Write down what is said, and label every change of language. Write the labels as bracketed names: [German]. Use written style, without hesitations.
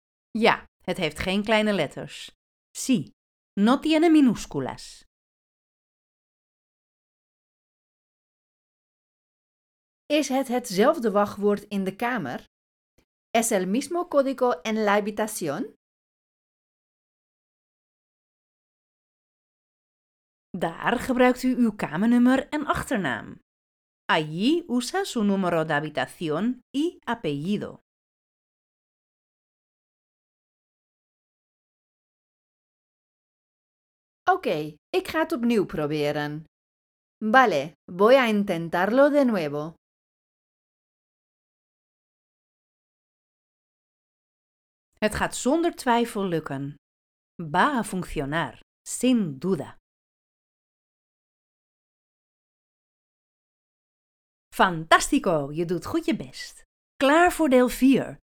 [Dutch] Ja, het heeft geen kleine letters. [Spanish] Sí, no tiene minúsculas. [Dutch] Is het hetzelfde wachtwoord in de kamer? [Spanish] ¿Es el mismo código en la habitación? [Dutch] Daar gebruikt u uw kamernummer en achternaam. [Spanish] Allí usa su número de habitación y apellido. [Dutch] Oké, ik ga het opnieuw proberen. [Spanish] Vale, voy a intentarlo de nuevo. [Dutch] Het gaat zonder twijfel lukken. [Spanish] Va a funcionar, sin duda. [Dutch] Fantástico, je doet goed je best. Klaar voor deel 4.